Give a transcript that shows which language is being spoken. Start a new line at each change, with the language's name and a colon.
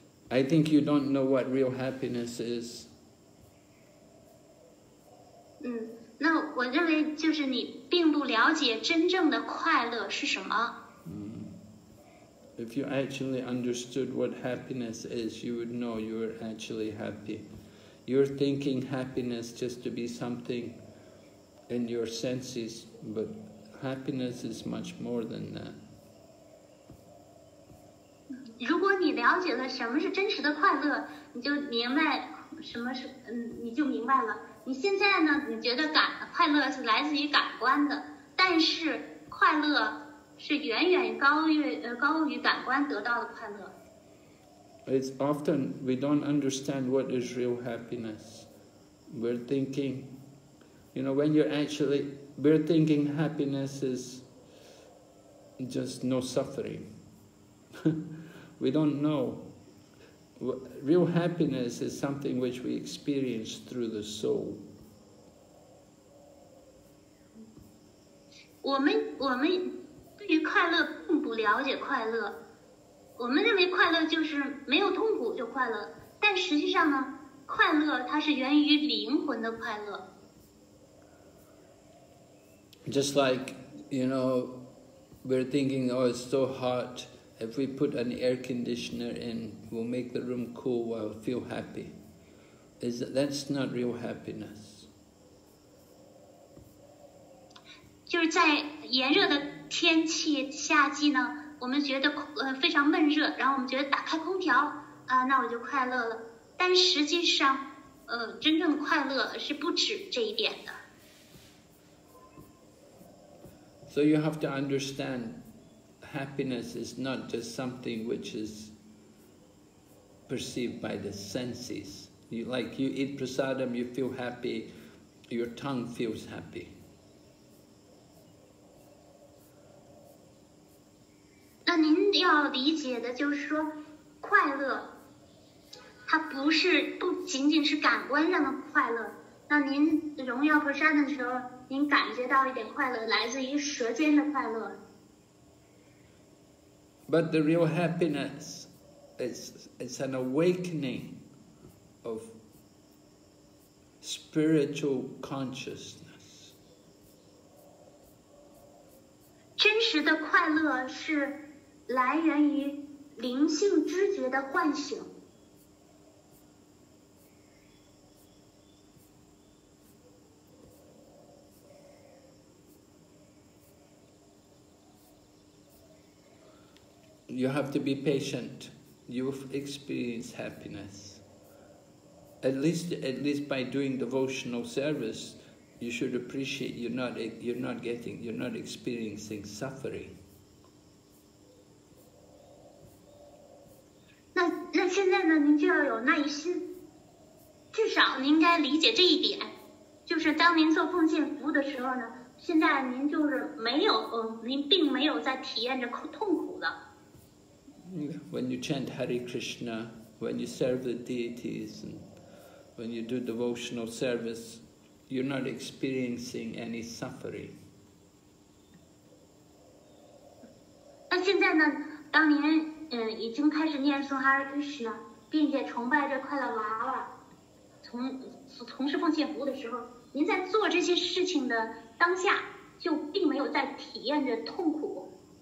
English: I think you don't know what real happiness is.
Chinese: 那我认为就是你并不了解真正的快乐是什么。
English: If you actually understood what happiness is, you would know you were actually happy. You're thinking happiness just to be something in your senses, but happiness is much more than that.
Chinese: 如果你了解了什么是真实的快乐，你就明白了。你现在呢？你觉得快乐是来自于感官的，但是快乐是远远高于感官得到的快乐。
English: It's often we don't understand what is real happiness. We're thinking, you know, when you're actually, we're thinking happiness is just no suffering. We don't know. Real happiness is something which we experience through the soul.
Chinese: 我们对于快乐并不了解快乐。我们认为快乐就是没有痛苦就快乐，但实际上呢，快乐它是源于灵魂的快乐。
English: Just like, you know, we're thinking, oh, it's so hot. If we put an air conditioner in, we'll make the room cool, we'll feel happy. That's not real happiness.
Chinese: 就是在炎热的天气夏季呢，我们觉得非常闷热，然后我们觉得打开空调啊，那我就快乐了。但实际上，真正快乐是不止这一点的。
English: So you have to understand, happiness is not just something which is perceived by the senses. You like you eat prasadam, you feel happy, your tongue feels happy.
Chinese: 那您要理解的就是说，快乐，它不仅仅是感官上的快乐。那您荣耀菩萨的时候，您感觉到一点快乐，来自于舌尖的快乐。
English: But the real happiness is an awakening of spiritual consciousness.
Chinese: 真实的快乐是来源于灵性知觉的唤醒。
English: You have to be patient. You've experienced happiness. At least by doing devotional service, you should appreciate you're not experiencing suffering.
Chinese: 现在呢，您就要有耐心。至少您应该理解这一点，就是当您做奉献服务的时候呢，现在您就是没有，您并没有在体验着痛苦的。
English: When you chant Hare Krishna, when you serve the deities, and when you do devotional service, you're not experiencing any suffering.
Chinese: 那现在呢，当您已经开始念诵哈尔克什了，并且崇拜着快乐娃娃，从事奉献服务的时候，您在做这些事情的当下就并没有在体验着痛苦。